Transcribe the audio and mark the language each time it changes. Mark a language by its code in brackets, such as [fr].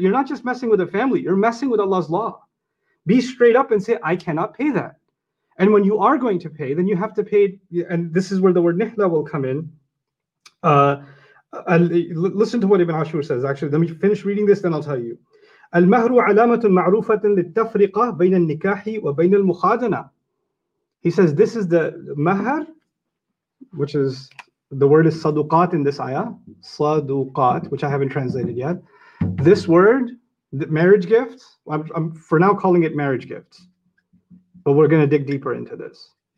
[en] You're not just messing with a family. You're messing with Allah's law. Be straight up and say, I cannot pay that. And when you are going to pay, then you have to pay. And this is where the word nihla will come in. Listen to what Ibn Ashur says. Actually, let me finish reading this, then I'll tell you. [ar] المهر علامة معروفة للتفرقة بين النكاح وبين المخادنة. [en] He says this is the mahr, which is, the word is saduqat in this ayah, saduqat, which I haven't translated yet. This word, the marriage gifts, I'm for now calling it marriage gifts, but we're going to dig deeper into this.